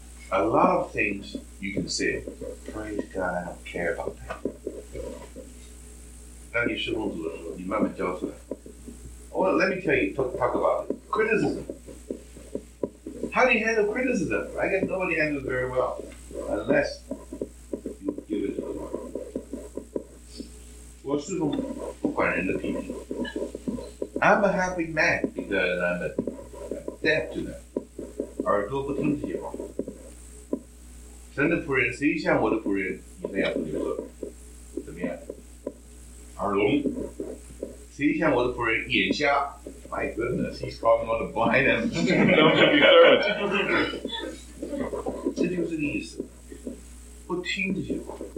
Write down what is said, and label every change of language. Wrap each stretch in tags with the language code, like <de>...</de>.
<en>A lot of things you can say, praise God, I don't care about that。</en> <zh>当你侍奉主的时候，你慢慢交出来。</zh> <en>Well, let me tell you, talk about it. Criticism. How do you handle criticism? I guess nobody handles very well, unless.</en> <zh>我是不管人的批评。</zh> <en>I'm a happy man because I'm a deaf to them.</en> <zh>耳朵不听这些话。神的仆人，谁像我的仆人以赛亚所说的？怎么样？耳聋。谁像我的仆人眼瞎 ？</zh> <en>My goodness, he's calling on the blind and don't be servant.</en> <zh>这就是个意思。不听这些话。</zh>